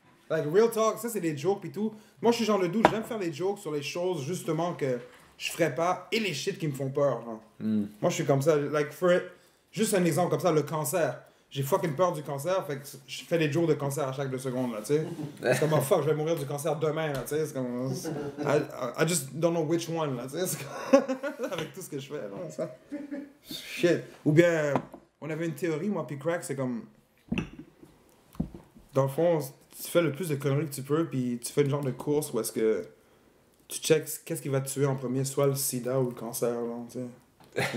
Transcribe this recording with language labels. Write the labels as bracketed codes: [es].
[en] Like, real talk, [fr] ça c'est des jokes et tout. Moi, je suis genre le doux. J'aime faire des jokes sur les choses justement que je ferais pas et les shit qui me font peur. Hein. Mm. Moi, je suis comme ça. Like, juste un exemple comme ça, le cancer. J'ai fucking peur du cancer, fait que je fais des jours de cancer à chaque 2 secondes, là, tu sais. C'est comme, [en] oh, fuck, [fr] je vais mourir du cancer demain, là, tu sais. C'est comme, [en] I just don't know which one, [fr] là, tu sais. Avec tout ce que je fais, là, ça. Shit. Ou bien, on avait une théorie, moi, puis Crack, c'est comme, dans le fond, tu fais le plus de conneries que tu peux, puis tu fais une genre de course où est-ce que tu checks qu'est-ce qui va te tuer en premier, soit le sida ou le cancer, là, tu sais.